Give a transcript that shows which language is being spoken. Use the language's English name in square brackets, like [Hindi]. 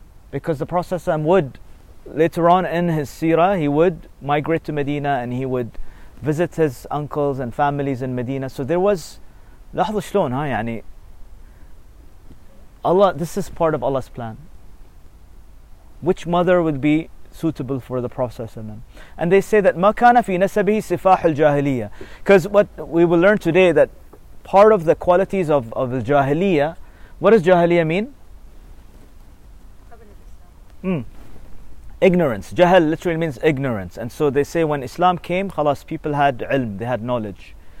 [English] Because the Prophet would, later on in his seerah, he would migrate to Medina and he would visit his uncles and families in Medina. So there was [Arabic] lahzah shlon, [English] ha, yani Allah, this is part of Allah's plan. Which mother would be suitable for the Prophet? And they say that [Arabic] ما كان في نسبه صفاح الجاهلية. [English] Because what we will learn today, that part of the qualities of the jahiliya, what does jahiliya mean? ignorance. Jahal literally means ignorance. And so they say when Islam came, khalas, people had ilm, they had knowledge.